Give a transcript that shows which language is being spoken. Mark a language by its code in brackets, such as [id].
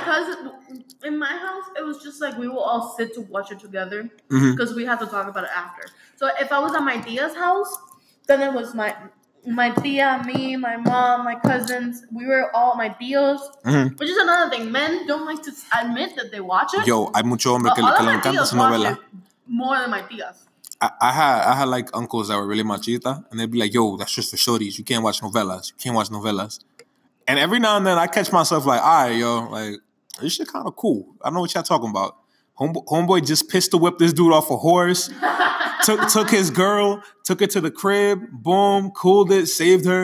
[en] Cousin, in my house, it was just like we will all sit to watch it together because we have to talk about it after. So if I was at my tia's house, then it was my tia, me, my mom, my cousins. We were all my tios, which is another thing. Men don't like to admit that they watch it. [es] Yo, hay mucho hombre que le encanta su novela. [en] More than my tias. I had like uncles that were really machista, and they'd be like, yo, that's just for shorties. You can't watch novelas. You can't watch novelas. And every now and then I catch myself like, all right, yo, like, this shit kind of cool. I don't know what y'all talking about. Homeboy just pistol whipped this dude off a horse, took his girl, took her to the crib, boom, cooled it, saved her.